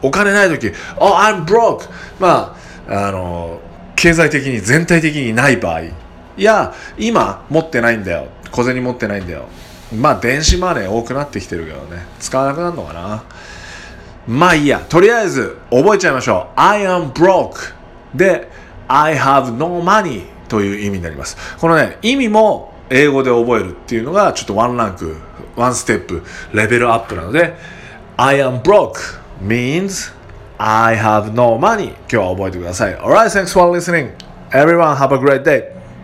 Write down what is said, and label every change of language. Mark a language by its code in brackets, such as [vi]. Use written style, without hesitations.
[ja] お金ないとき [en] Oh I'm broke。 [ja] まあ経済的に全体的にない場合、いや今持ってないんだよ、小銭持ってないんだよ。まあ電子マネー多くなってきてるけどね、使わなくなるのかな。まあいいや、とりあえず覚えちゃいましょう。 [en] I am broke [ja] で [en] I have no money [ja] という意味になります。このね、意味も英語で覚えるっていうのがちょっとワンランク、ワンステップ、レベルアップなので、 [en] I am broke means I have no money、 [ja] 今日は覚えてください。 [en] Alright, thanks for listening. Everyone have a great day.